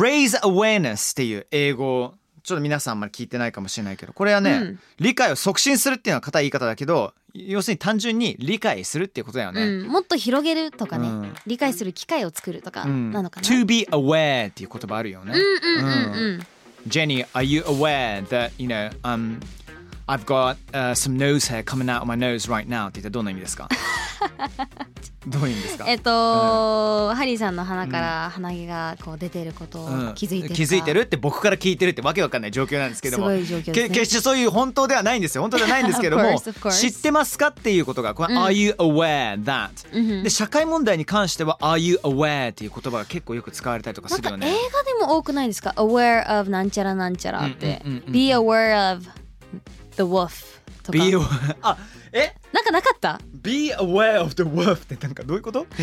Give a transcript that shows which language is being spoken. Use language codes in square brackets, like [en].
[ja] Raise Awareness っていう英語、ちょっと皆さんあんまり聞いてないかもしれないけど、これはね、うん、理解を促進するっていうのは固い言い方だけど、要するに単純に理解するっていうことだよね、うん、もっと広げるとかね、うん、理解する機会を作るとかなのかな、うん、 [en] To be aware [ja] っていう言葉あるよね、うんうんうんうん、 [en] Jenny, are you aware that, you know, I've got some nose hair coming out of my nose right now [ja] って言ったらどんな意味ですか？どういう意味ですか？ハリーさんの鼻から鼻毛がこう出てることを気づいてるか、うん、気づいてるって僕から聞いてるってわけわかんない状況なんですけども、すごい状況ですね。決してそういう本当ではないんですよ、本当ではないんですけども知ってますかっていうことが、これ、うん、 [en] Are you aware that、 [ja] うん、で社会問題に関しては [en] Are you aware [ja] っていう言葉が結構よく使われたりとかするよね。なんか映画でも多くないですか？ [en] Aware of [ja] なんちゃらなんちゃらって、 [en] Be aware of the wolf [ja] とか。あ、え？なんかなかった？ [en] Be aware of the wolf [ja] ってなんかどういうこと？